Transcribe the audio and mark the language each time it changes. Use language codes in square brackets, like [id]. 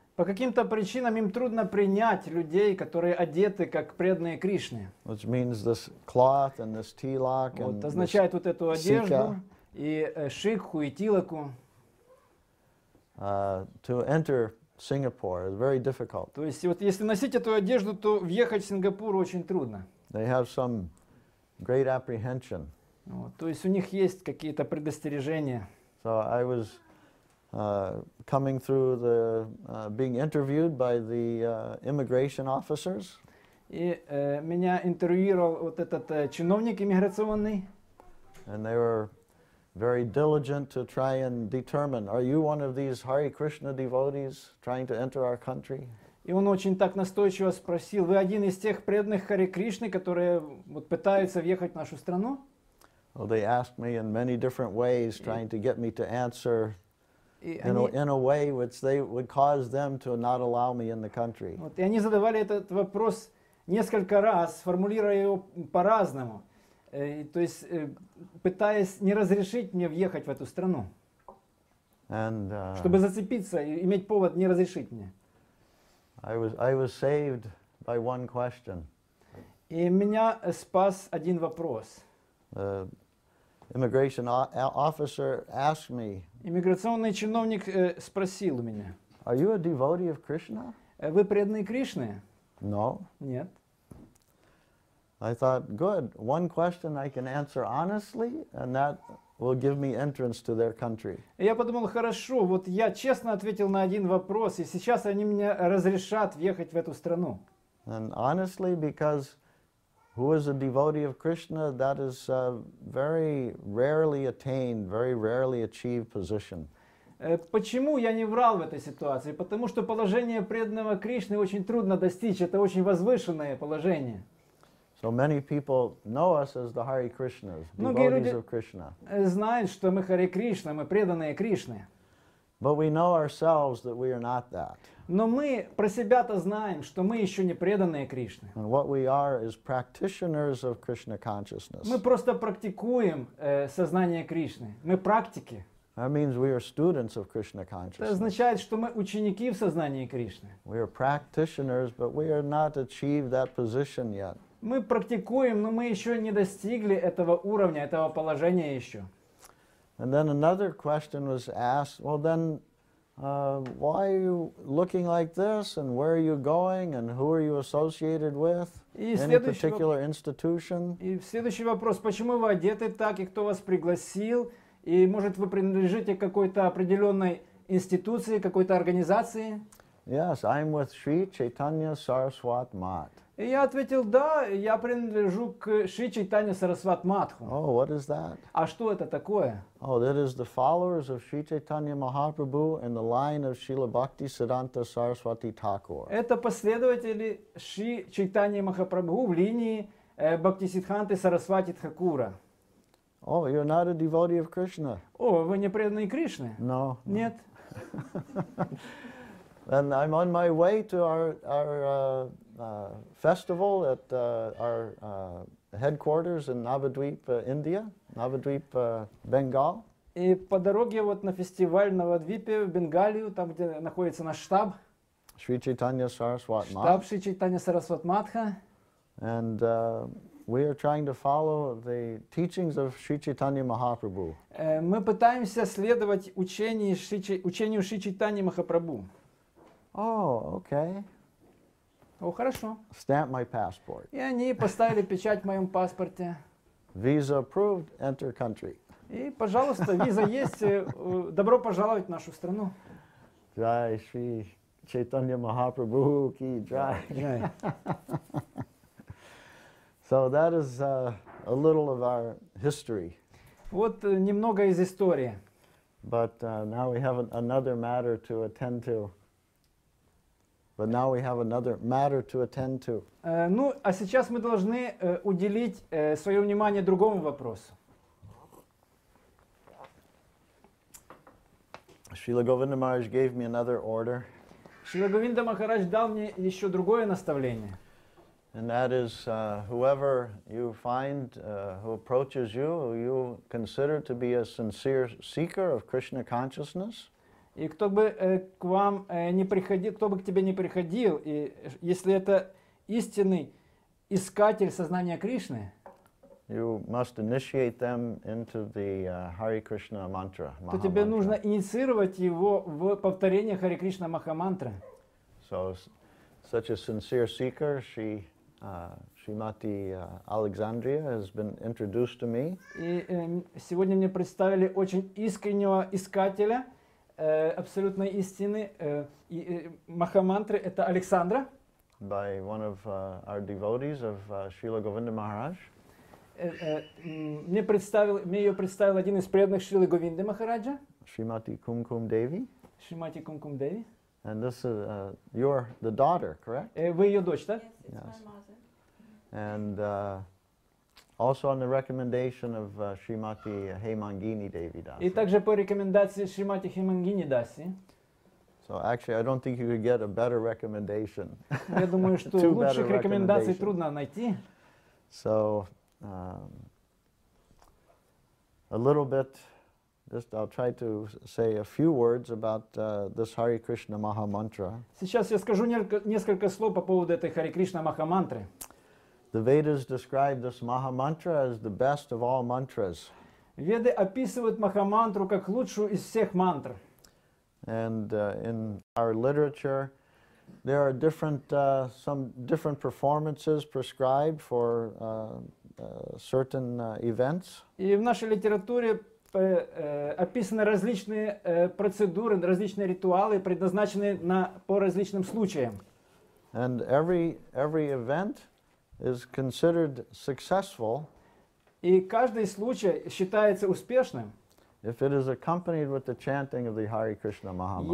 [ru] По каким-то причинам им трудно принять людей, которые одеты как преданные Кришне. [en] Which means this cloth and this tilak and [ru] вот, означает вот эту одежду [en] sika. [ru] И шикху и тилаку. [en] To enter Singapore is very difficult. [ru] То есть вот если носить эту одежду, то въехать в Сингапур очень трудно. [en] They have some great apprehension. [ru] То есть у них есть какие-то предостережения. [en] So I was coming through the being interviewed by the immigration officers. [ru] И меня интервьюировал вот этот чиновник иммиграционный. [en] And they were very diligent to try and determine, are you one of these Hare Krishna devotees trying to enter our country? [ru] И он очень так настойчиво спросил, вы один из тех преданных Харе Кришны, которые вот, пытаются въехать в нашу страну? [en] Well, they asked me in many different ways, trying to get me to answer in a way which they would cause them to not allow me in the country. [ru] Вот, и они задавали этот вопрос несколько раз, формулируя его по-разному, то есть пытаясь не разрешить мне въехать в эту страну, чтобы зацепиться, иметь повод не разрешить мне. [en] I was saved by one question. [ru] И меня спас один вопрос. [en] The immigration officer asked me. [ru] Иммиграционный чиновник спросил у меня. [en] Are you a devotee of Krishna? [ru] Вы преданный Кришны? [en] No. [ru] Нет. [en] I thought, good. One question I can answer honestly, and that will give me entrance to their country. [ru] Я подумал, хорошо, вот я честно ответил на один вопрос, и сейчас они мне разрешат въехать в эту страну. [en] And honestly, because who is a devotee of Krishna, that is a very rarely attained, very rarely achieved position. [ru] Почему я не врал в этой ситуации? Потому что положение преданного Кришны очень трудно достичь, это очень возвышенное положение. [en] So many people know us as the Hare Krishnas, devotees of Krishna. [ru] Знают, что мы Харе Кришна, мы преданные Кришне. [en] But we know ourselves that we are not that. [ru] Но мы про себя-то знаем, что мы еще не преданные Кришне. [en] And what we are is practitioners of Krishna consciousness. [ru] Мы просто практикуем сознание Кришны. Мы практики. [en] That means we are students of Krishna consciousness. [ru] Это означает, что мы ученики в сознании Кришны. [en] We are practitioners, but we are not achieved that position yet. [ru] Мы практикуем, но мы еще не достигли этого уровня, этого положения еще. [en] And then another question was asked, well then, why are you looking like this, and where are you going, and who are you associated with, any particular institution? [ru] И следующий вопрос, почему вы одеты так, и кто вас пригласил, и может вы принадлежите какой-то определенной институции, какой-то организации? [en] Yes, I'm with Sri Chaitanya Saraswat Mat. [ru] И я ответил, да, я принадлежу к Шри Чайтанья Сарасват Матху. [en] Oh, what is that? [ru] А что это такое? [en] Oh, that is the followers of Шри Чайтанья Махапрабху and the line of Шрила Бхакти Сиддханта Сарасвати Такур. [ru] Это последователи Шри Чайтанья Махапрабху в линии Бхакти Сиддханты Сарасвати Такура. [en] Oh, you're not a devotee of Krishna. [ru] О, вы не преданный Кришне? [en] No. [ru] Нет. [en] And I'm on my way to our festival at our headquarters in Navadweep, India, Navadweep, Bengal. [ru] И по дороге вот на фестиваль на Навадвипе в Бенгалию, там где находится наш штаб. Шри Чайтанья Сарасват Матха. Штаб Шри Чайтанья Сарасват Матха. [en] And we are trying to follow the teachings of Шри Чайтанья Махапрабху. [ru] Мы пытаемся следовать учению Шри Чайтанья Махапрабху. [en] Oh, okay. [ru] Oh, хорошо. [en] Stamp my passport. [ru] И они поставили печать в моем паспорте. [en] Visa approved, enter country. [ru] И, пожалуйста, виза есть, добро пожаловать в нашу страну. [hi] Jai Shri Chaitanya Mahaprabhu ki jai. Jai. [en] So that is a little of our history. [ru] Вот немного из истории. [en] But now we have another matter to attend to. But now we have another matter to attend to. [ru] Ну, а сейчас мы должны уделить свое внимание другому вопросу. [en] Шрила Говинда Махарадж gave me another order. [ru] Шрила Говинда Махарадж дал мне еще другое наставление. [en] And that is, whoever you find, who approaches you, who you consider to be a sincere seeker of Krishna consciousness. [ru] И кто бы к вам не приходил, кто бы к тебе не приходил, и если это истинный искатель сознания Кришны, [en] you must initiate them into the Hare Krishna mantra. [ru] То тебе нужно инициировать его в повторение Hare Krishna Махамантра. [en] So, such a sincere seeker, she. Shrimati Alexandria has been introduced to me. [ru] И сегодня мне представили очень искреннего искателя. Абсолютной истины Махамантры это Александра. [en] By one of our devotees of Srila Govinda Maharaj. [ru] мне ее представил один из преданных Шрилы Говинды Махараджа. Шримати Кум Кум Деви. Шримати Кум Кум Деви. [en] And this is you're the daughter, correct? [ru] Вы ее дочь, да? [en] Yes, it's my mother. And also on the recommendation of Shrimati Hemangini Devi Dasi. [ru] И также по рекомендации Шримати Хемангини Даси. [en] So actually, I don't think you could get a better recommendation. [ru] Я думаю, что лучших рекомендаций трудно найти. [en] So a little bit. Just I'll try to say a few words about this Hare Krishna Maha Mantra. [ru] Сейчас я скажу несколько слов по поводу этой Hare Krishna Maha Mantra. [en] The Vedas describe this Maha Mantra as the best of all mantras. [ru] Веды описывают Маха Мантру как лучшую из всех мантр. [en] And in our literature, there are some different performances prescribed for certain events. [ru] И в нашей литературе описаны различные процедуры, различные ритуалы, предназначенные по различным случаям. [en] And every event is considered successful. [ru] И каждый случай считается успешным. [en] If it is accompanied with the chanting of the Hare Krishna Maha Mantra.